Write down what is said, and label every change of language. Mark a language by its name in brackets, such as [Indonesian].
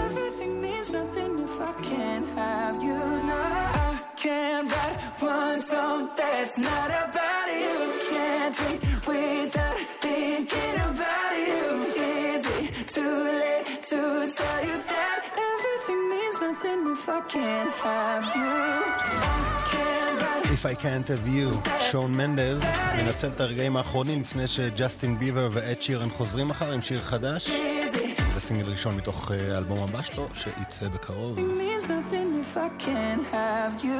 [English] Everything means nothing if I can't have you No, I can't write one song that's not about you Can't drink without thinking about you Is it too late to tell you that Everything means nothing if I can't have you [Hebrew] If I Can't Have You, שון מנדז מנצל את הרגעים האחרונים לפני שג'סטין ביבר ואת שירן חוזרים מחר עם שיר חדש זה סינגל ראשון מתוך אלבום הבא שלו שיצא בקרוב [English] It means nothing if I can't have you